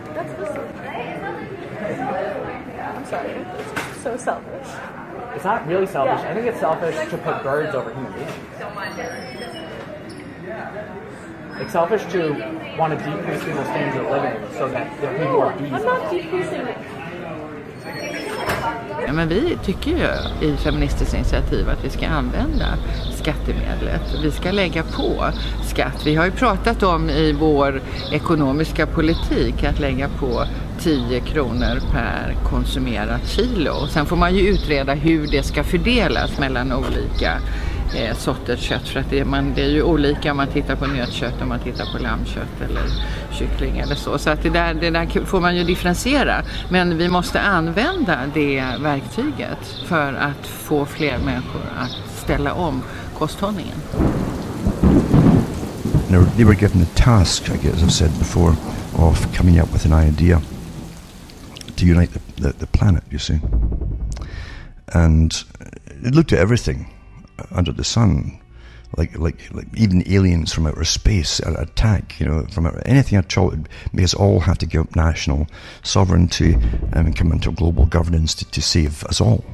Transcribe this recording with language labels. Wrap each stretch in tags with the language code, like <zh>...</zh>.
<en>That's awesome. I'm sorry. So selfish. It's not really selfish. Yeah. I think it's selfish to put birds over human beings. It's selfish to want to decrease people's standards of living so that there are people who are bees. I'm not decreasing it.</en> <sv>Ja, men vi tycker ju i Feministiskt initiativ att vi ska använda skattemedlet. Vi ska lägga på skatt. Vi har ju pratat om i vår ekonomiska politik att lägga på 10 kronor per konsumerat kilo. Sen får man ju utreda hur det ska fördelas mellan olika sorters kött. För att det är ju olika om man tittar på nötkött, om man tittar på lammkött eller kyckling eller så. Så att det där får man ju differentiera. Men vi måste använda det verktyget för att få fler människor att ställa om kosthållningen.</sv> <en>Now, they were given a task, I guess, as I said before, of coming up with an idea to unite the planet, you see. And it looked at everything under the sun, like even aliens from outer space attack, you know, from anything at all, make us all have to give up national sovereignty and come into global governance to save us all.</en>